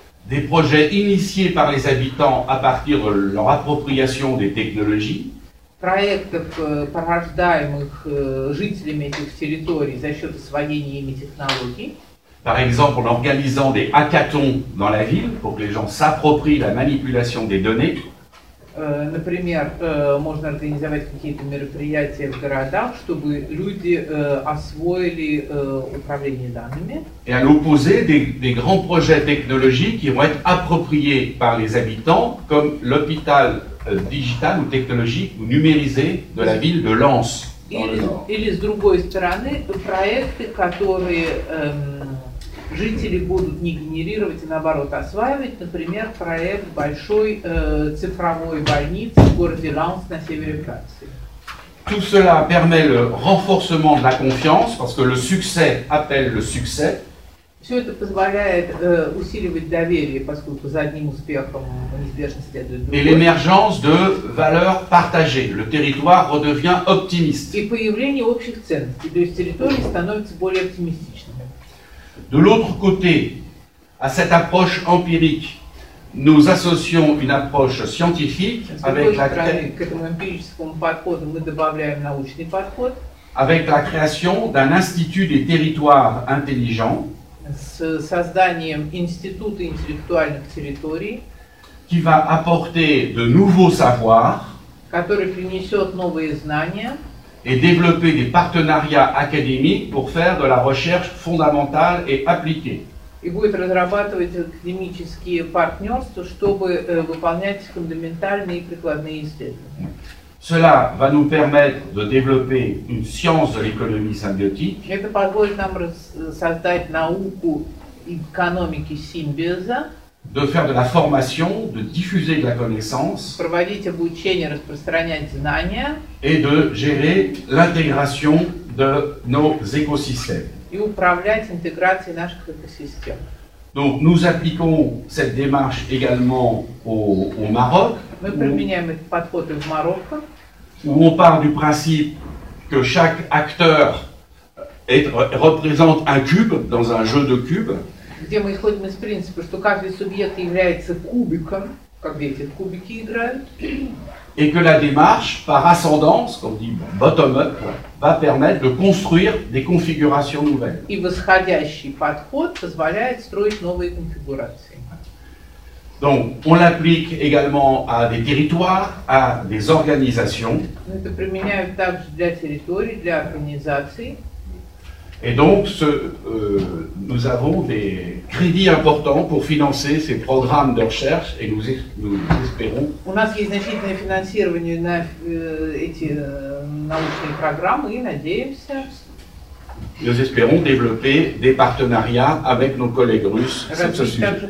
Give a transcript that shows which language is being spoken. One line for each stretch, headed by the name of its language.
French: Des projets initiés par les habitants à partir de leur appropriation des technologies.
Russian: Проектов, порождаемых жителями этих территорий за счет освоения ими технологий.
French: Par exemple, en organisant des hackathons dans la ville pour que les gens s'approprient la manipulation des données.
Russian: Например, можно организовать какие-то мероприятия в городах, чтобы люди освоили управление данными.
French: Et à l'opposé des grands projets technologiques qui vont être appropriés par les habitants, comme l'hôpital digital ou technologique ou numérisé de la ville de Lens.
Russian: Или с другой стороны, проекты, которые жители будут не генерировать, а наоборот осваивать, например, проект большой цифровой больницы в городе Ланс на севере Франции.
French: Tout cela permet le renforcement de la confiance, parce que le succès appelle le succès.
Russian: Все это позволяет усиливать доверие, поскольку за одним успехом неизбежно следует другой.
French: Et l'émergence de valeurs partagées. Le territoire redevient optimiste.
Russian: И появление общих ценностей, то есть территории становятся более оптимистичными.
French: De l'autre côté, à cette approche empirique, nous associons une approche scientifique avec la création.
Russian: К этому эмпирическому подходу мы добавляем научный подход.
French: Avec la création d'un institut des territoires intelligents.
Russian: С созданием института интеллектуальных территорий.
French: Qui va apporter de nouveaux savoirs.
Russian: Который принесет новые знания.
French: Et développer des partenariats académiques pour faire de la recherche fondamentale et appliquée.
Russian: И будет разрабатывать академические партнерства, чтобы выполнять фундаментальные и прикладные исследования.
French: Cela va nous permettre de développer une science de l'économie symbiotique.
Russian: Это позволит нам создать науку экономики симбиоза.
French: De faire de la formation, de diffuser de la connaissance.
Russian: Проводить обучение, распространять знания.
French: Et de gérer l'intégration de nos écosystèmes.
Russian: И управлять интеграцией наших экосистем.
French: Donc nous appliquons cette démarche également au Maroc.
Russian: Мы применяем этот подход и в Марокко.
French: Où on part du principe que chaque acteur représente un cube dans un jeu de cubes.
Russian: Где мы исходим из принципа, что каждый субъект является кубиком, как дети в кубики играют.
French: Et que la démarche par ascendance, comme dit bottom-up, va permettre de construire des configurations nouvelles.
Russian: И восходящий подход позволяет строить новые конфигурации.
French: Donc, on l'applique également à des territoires, à des organisations.
Russian: Это применяют также для территорий, для организаций.
French: Et donc, nous avons des crédits importants pour financer ces programmes de recherche et nous espérons.
Russian: У нас есть значительное финансирование на эти научные программы и надеемся.
French: Nous espérons développer des partenariats avec nos collègues russes sur ce sujet.